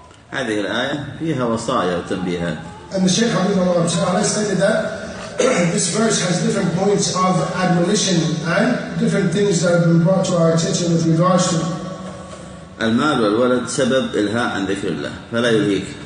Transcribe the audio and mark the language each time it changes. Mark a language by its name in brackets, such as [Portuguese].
[Arabic] هذه الآية فيها وصايا وتنبيهات. [English] And the Shaykh Habib Allah Ta'ala stated that this verse has different points of admonition and different things that have been brought to our attention with regards to. [Arabic] المال والولد سبب إلهاء عن ذكر الله فلا يلهيك.